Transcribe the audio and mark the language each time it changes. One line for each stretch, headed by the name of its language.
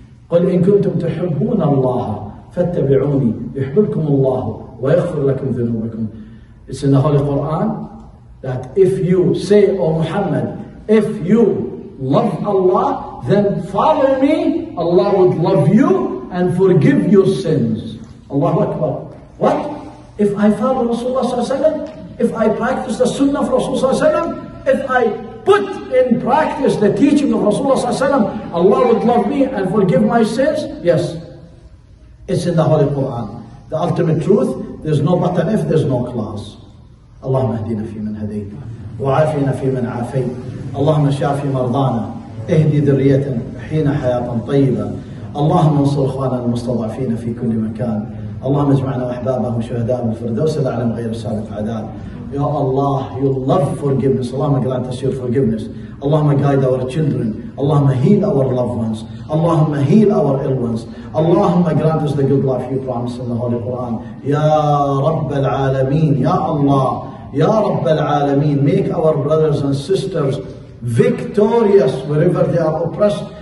Arabic: قل إن كنتم تحبون الله فاتبعوني يحببكم الله ويغفر لكم ذنوبكم.
English: It's in the Holy Quran that if you say, O Muhammad, if you love Allah, then follow me, Allah would love you and forgive your sins. Allahu Akbar. What? If I follow Rasulullah sallallahu alayhi wa sallam, if I practice the sunnah of Rasulullah sallallahu alayhi wa sallam, if I put in practice the teaching of Rasulullah sallallahu alayhi wa sallam, Allah would love me and forgive my sins. Yes, it's in the Holy Quran. The ultimate truth, there's no button if there's no class.
Arabic: Allahumma ahdina fi man hadayta, wa'afina fi man afayta, Allahumma shafi mardana, ihdi dhurriyatan, ahyina hayatan tayyiba. اللهم انصر اخواننا المستضعفين في كل مكان. اللهم اجمعنا واحبابهم شهداء الفردوس الاعلم غير سالف عداد.
English: يا الله, you love forgiveness. اللهم grant us your forgiveness. اللهم guide our children. اللهم heal our loved ones. اللهم heal our ill ones. اللهم grant us the good life you promised in the Holy Quran.
Arabic: يا رب العالمين, يا الله, يا رب العالمين,
English: make our brothers and sisters victorious wherever they are oppressed.